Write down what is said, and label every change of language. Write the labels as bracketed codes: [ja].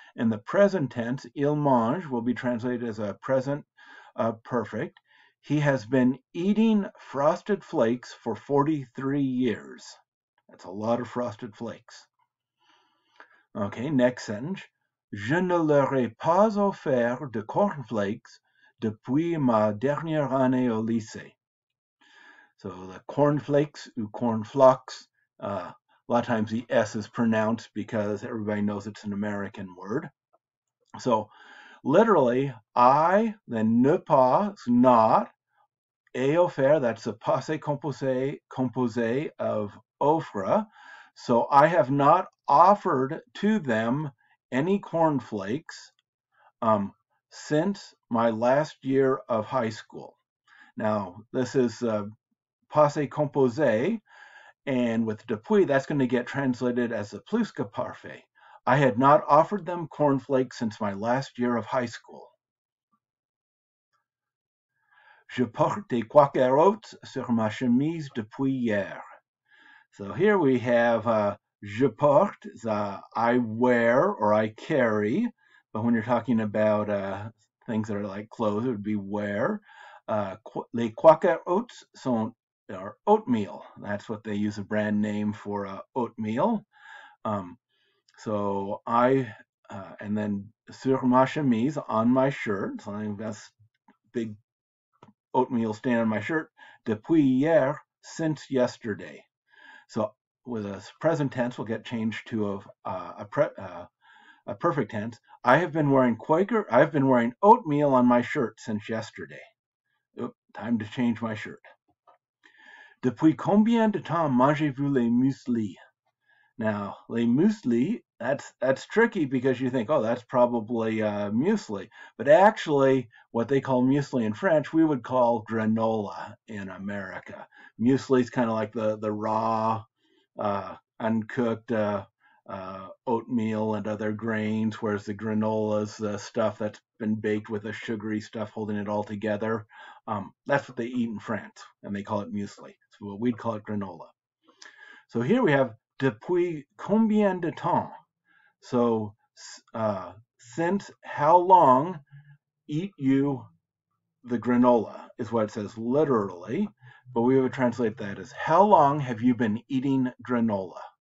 [en] And the present tense, [fr] il mange, [en] will be translated as a present perfect. He has been eating frosted flakes for 43 years. That's a lot of frosted flakes. Okay, next sentence. [fr] Je ne leur ai pas offert de cornflakes depuis ma dernière année au lycée. [en] So the cornflakes, ou cornflocks, a lot of times the S is pronounced because everybody knows it's an American word. So literally, I, then ne pas, not, [fr] ai offert, [en] that's a passé composé of offre. So I have not offered to them any cornflakes since my last year of high school. Now, this is passé composé, and with depuis, that's going to get translated as the pluscaparfait. I had not offered them cornflakes since my last year of high school. [fr] Je porte des quaker oats sur ma chemise depuis hier. [en] So here we have [fr] je porte, [en] I wear or I carry, but when you're talking about things that are like clothes, it would be wear. [fr] Les quaker oats sont [en] or oatmeal. That's what they use a brand name for oatmeal. So I, and then [fr] sur ma chemise, [en] on my shirt, something that's big oatmeal stain on my shirt, [fr] depuis hier, [en] since yesterday. So with a present tense, will get changed to a perfect tense. I've been wearing oatmeal on my shirt since yesterday. Oop, time to change my shirt. [fr] Depuis combien de temps mangez-vous les muesli? [en] Now, les muesli, that's tricky because you think, oh, that's probably muesli. But actually, what they call muesli in French, we would call granola in America. Muesli is kind of like the raw, uncooked oatmeal and other grains, whereas the granola is the stuff that's been baked with the sugary stuff holding it all together. That's what they eat in France, and they call it muesli. So we'd call it granola. So here we have [fr] depuis combien de temps? [en] So since how long eat you the granola is what it says literally, but we would translate that as how long have you been eating granola?